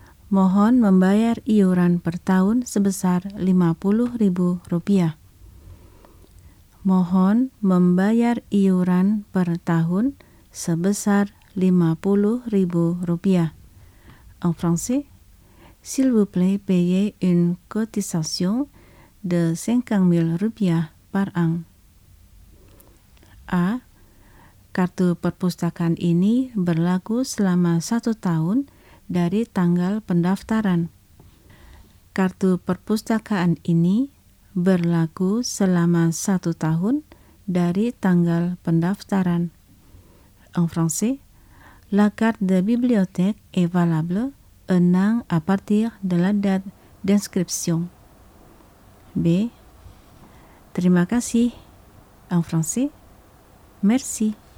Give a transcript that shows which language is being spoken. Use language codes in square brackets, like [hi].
[id] Mohon membayar iuran per tahun sebesar Rp50.000. Mohon membayar iuran per tahun sebesar Rp50.000. [fr] En français, s'il vous plaît, payez une cotisation de Rp50.000 par an. A. [id] Kartu perpustakaan ini berlaku selama 1 tahun dari tanggal pendaftaran. Kartu perpustakaan ini berlaku selama 1 tahun dari tanggal pendaftaran. [fr] En français, la carte de bibliothèque est valable un an à partir de la date d'inscription. B. [id] Terima kasih. [fr] En français, merci.